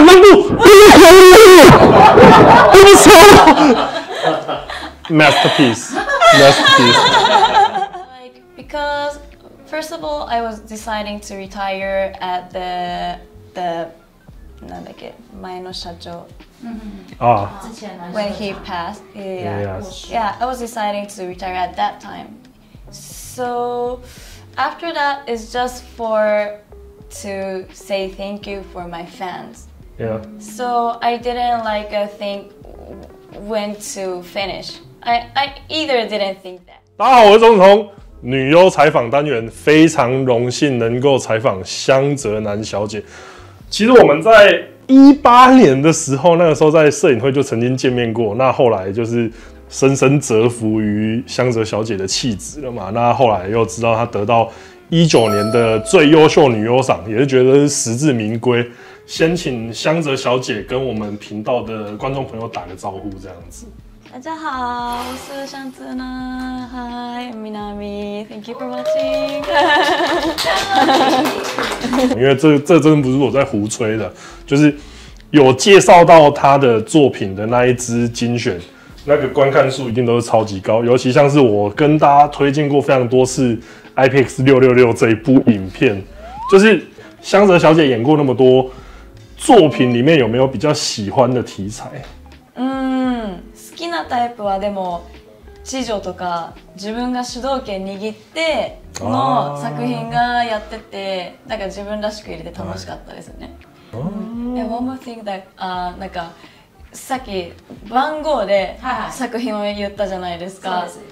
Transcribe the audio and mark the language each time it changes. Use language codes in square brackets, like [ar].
[zh] 那部，那部超好，那部超好。 [en] Masterpiece, masterpiece. Like because first of all, I was deciding to retire at the [ja] 何だっけ前の社長。 [en] Ah. When he passed, yeah, I was deciding to retire at that time. So after that is just for. To say thank you for my fans. Yeah. So I didn't like think when to finish. I either didn't think that. [zh] 大家好，我是钟子通，女优采访单元，非常荣幸能够采访相澤南小姐。其实我们在2018年的时候，那个时候在摄影会就曾经见面过。那后来就是深深折服于相澤小姐的气质了嘛。那后来又知道她得到。2019年的最优秀女优赏，也是觉得是实至名归。先请相澤小姐跟我们频道的观众朋友打个招呼，这样子。大家好，我是相澤南。 [en] Hi, Minami. Thank you for watching. [zh] 因为这真的不是我在胡吹的，就是有介绍到她的作品的那一支精选，那个观看数一定都是超级高，尤其像是我跟大家推荐过非常多次。 IPX666 这一部影片，就是相澤小姐演过那么多作品，里面有没有比较喜欢的题材？ [ja] 好きなタイプはでも地上とか自分が主導権握っての作品がやってて、なんか自分らしく入れて楽しかったですね。 [en] And one more thing that [ja] なんかさっき番号で作品を言ったじゃないですか。